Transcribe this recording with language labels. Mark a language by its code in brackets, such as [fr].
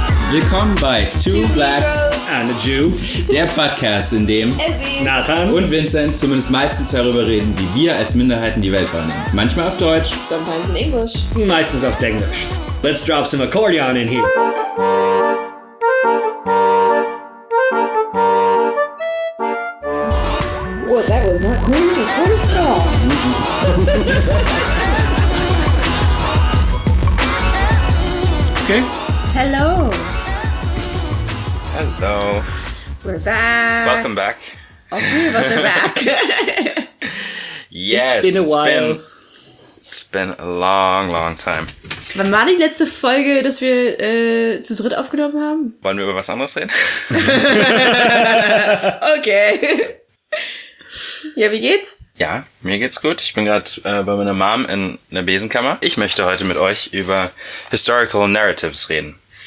[de] Willkommen bei Two Blacks [en] and a Jew, [de] der Podcast, in dem Nathan und Vincent zumindest meistens darüber reden, wie wir als Minderheiten die Welt wahrnehmen. Manchmal auf Deutsch, [en] sometimes in English, [de] meistens auf Englisch. [en] Let's drop some accordion in here. What, that was not cool the first time. Okay. Hello. Hello. We're back. Welcome back. All three of us are back. Yes. It's been a while. It's been a long, long time. [de] Wann war die letzte Folge, dass wir zu dritt aufgenommen haben? Wollen wir über was anderes reden? Okay. Ja, wie geht's? Ja, mir geht's gut. Ich bin gerade bei meiner Mom in der Besenkammer. Ich möchte heute mit euch über historical narratives reden.